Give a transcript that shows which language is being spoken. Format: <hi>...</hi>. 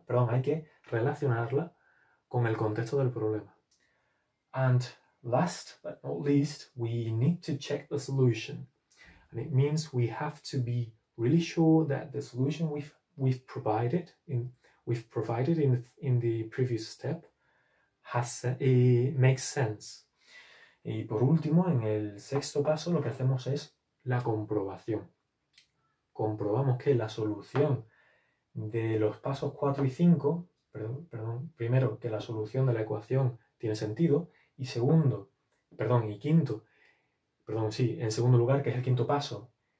<es>Hay que relacionarla con el contexto del problema.</es> <en>And last but not least, we need to check the solution. And it means we have to be really sure that the solution we've provided in the previous step makes sense.</en> <es>Y por último, en el sexto paso, lo que hacemos es la comprobación. Comprobamos que la solución de los pasos 4 y 5, primero, que la solución de la ecuación tiene sentido, y quinto, en segundo lugar, que es el quinto paso,</es>